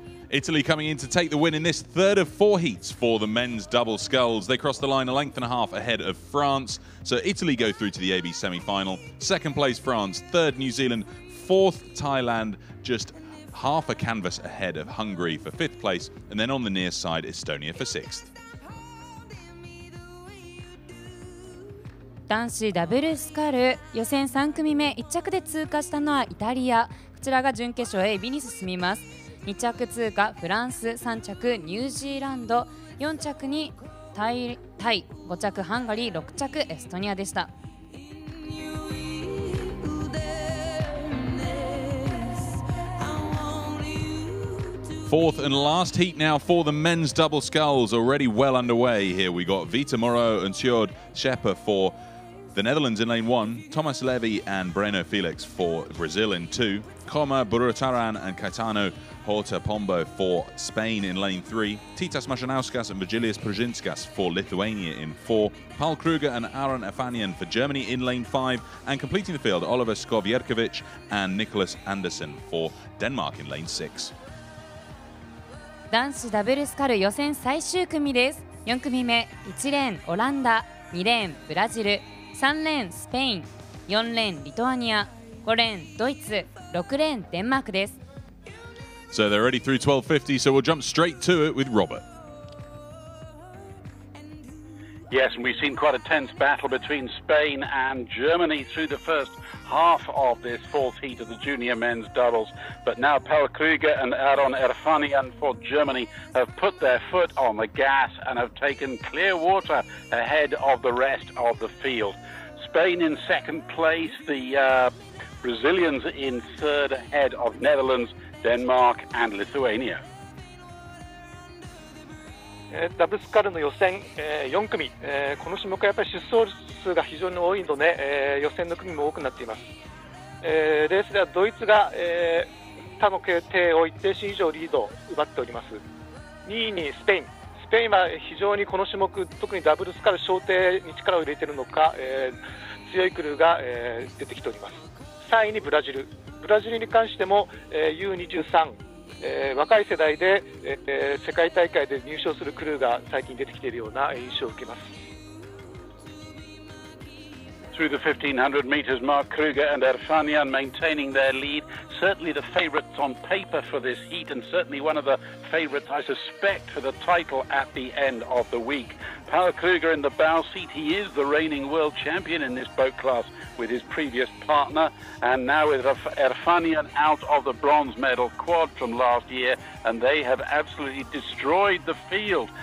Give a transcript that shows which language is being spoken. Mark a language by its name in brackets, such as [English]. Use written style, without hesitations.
[English] Italy coming in to take the win in this third of four heats for the men's double sculls. They cross the line a length and a half ahead of France. So Italy go through to the AB semi-final. Second place France, third New Zealand, fourth Thailand, justHalf a canvas ahead of Hungary for fifth place, and then on the near side, Estonia for sixth. [Japanese] 男子ダブルスカル予選3組目、1着で通過したのはイタリア。こちらが準決勝 AB に進みます。2着通過フランス、3着ニュージーランド、4着にタイ、5着ハンガリー、6着エストニアでした。 [English] Fourth and last heat now for the men's double sculls, already well underway here. We got Vita Moreau and Sjord Schepper for the Netherlands in lane one, Thomas Levy and Breno Felix for Brazil in two, Koma Burutaran and Caetano Horta Pombo for Spain in lane three, Titas Mašanauskas and Virgilijus Pružinskas for Lithuania in four, Paul Kruger and Aaron Afanian for Germany in lane five, and completing the field, Oliver Skovjerkovic and Nicholas Andersen for Denmark in lane six. [Japanese] 男子ダブルスカル予選最終組です。4組目、1レーンオランダ、2レーンブラジル、3レーンスペイン、4レーンリトアニア、5レーンドイツ、6レーンデンマークです。 [English] So they're already through 1250, so we'll jump straight to it with Robert. Yes, and we've seen quite a tense battle between Spain and Germany through the firstHalf of this fourth heat of the junior men's doubles. But now Paul Kruger and Aaron Erfanian for Germany have put their foot on the gas and have taken clear water ahead of the rest of the field. Spain in second place, the Brazilians in third ahead of Netherlands, Denmark and Lithuania. [Japanese] ダブルスカルの予選、4組、この種目はやっぱり出走数が非常に多いので、予選の組も多くなっています。レースではドイツが、他の競艇を1停止以上リードを奪っております。 2位にスペインは非常にこの種目、特にダブルスカル小艇に力を入れているのか、強いクルーが、出てきております。 3位にブラジルに関しても、U23若い世代で、世界大会で入賞するクルーが最近出てきているような印象を受けます。 [English] Through the 1500 meters mark, Kruger and Erfanian maintaining their lead. certainly the favourites on paper for this heat, and certainly one of the favourites, I suspect, for the title at the end of the week. Paul Kluger in the bow seat. He is the reigning world champion in this boat class with his previous partner, and now with Erfanian out of the bronze medal quad from last year, and they have absolutely destroyed the field.